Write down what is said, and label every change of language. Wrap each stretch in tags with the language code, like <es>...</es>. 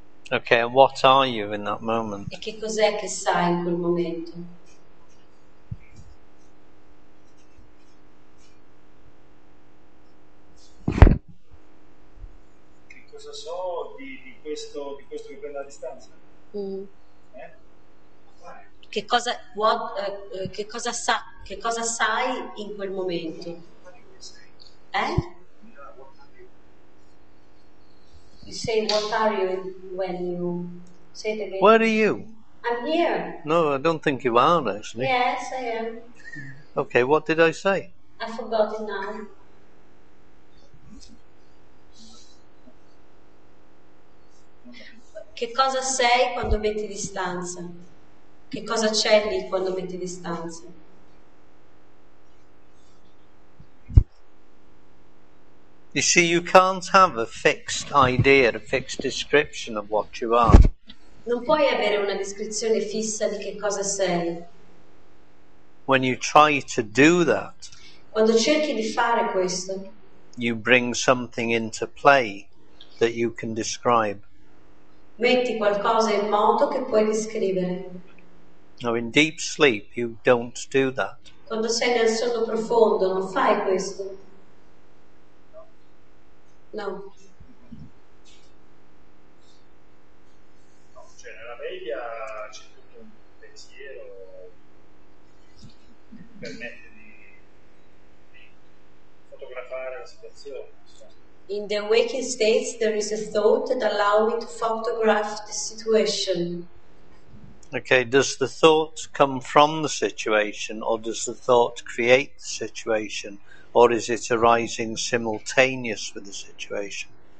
<en>Okay, and what are you in that moment?</en> <it>E che cos'è che sai in quel momento? Che cosa so di questo che prende la distanza? Che cosa sai in quel momento?</it> <en>You say, what are you when you say it again? Where are you? I'm here. No, I don't think you are, actually. Yes, I am. Okay, what did I say? I forgot it now.</en> <it>Che cosa sei quando metti distanza? Che cosa c'è lì quando metti distanza?</it> <en>You see, you can't have a fixed idea, a fixed description of what you are.</en> <it>Non puoi avere una descrizione fissa di che cosa sei.</it> <en>When you try to do that,</en> <it>quando cerchi di fare questo,</it> <en>you bring something into play that you can describe.</en> <it>Metti qualcosa in moto che puoi descrivere.</it> <en>Now, in deep sleep, you don't do that.</en> <it>Quando sei nel sonno profondo, non fai questo.</it> <en>No.</en> <it>No, cioè nella veglia c'è tutto un pensiero che mi permette di fotografare la situazione.</it> <en>In the waking states there is a thought that allows me to photograph the situation. Okay, does the thought come from the situation, or does the thought create the situation, or is it arising simultaneous with the situation?</en>